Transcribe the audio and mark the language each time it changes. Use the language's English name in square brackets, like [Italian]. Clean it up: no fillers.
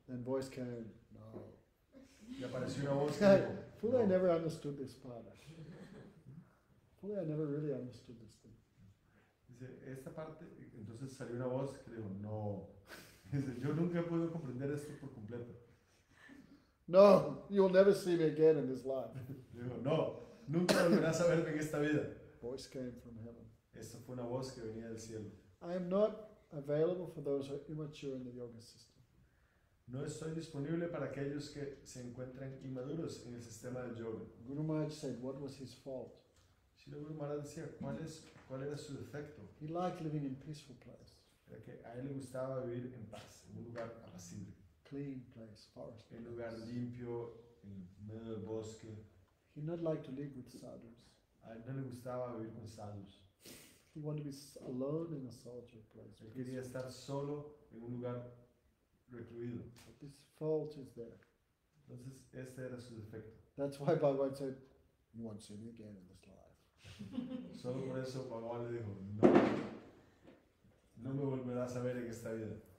[English] Then voice came, no. [Spanish] Y apareció una voz que dijo, [English] fully no. I never understood this part. Fully I never really understood this thing. [Spanish] Dice, esta parte, entonces salió una voz que dijo, no. Dice, yo nunca puedo comprender esto por completo. [English] No, you'll never see me again in this life. [Spanish] Digo, no, nunca volverás a verme en esta vida. [English] Voice came from heaven. [Spanish] Esta fue una voz que venía del cielo. [English] I am not available for those who are immature in the yoga system. [Spanish] No estoy disponible para aquellos que se encuentran inmaduros en el sistema del yoga. [English] Guru Maharaj said, what was his fault? [Spanish] Shri Guru Maharaj decía, ¿cuál era su defecto? [English] He liked living in peaceful place. [Spanish] Era que a él le gustaba vivir en paz, en un lugar apacible. [English] Clean place, forest. [Spanish] El lugar limpio, en medio del bosque. [English] He not like to live with sadhus. [Spanish] A él no le gustaba vivir con sadhus. [English] He wanted to be alone in a solitary place. [Spanish] Él quería estar solo en un lugar recluido. [English] But this fault is there. [Spanish] Entonces este era su defecto. [English] That's why Bhagavan said, "You won't see me again in this life." [Spanish] Solo por eso Bhagavan le dijo, "No, no me volverás a ver en esta vida."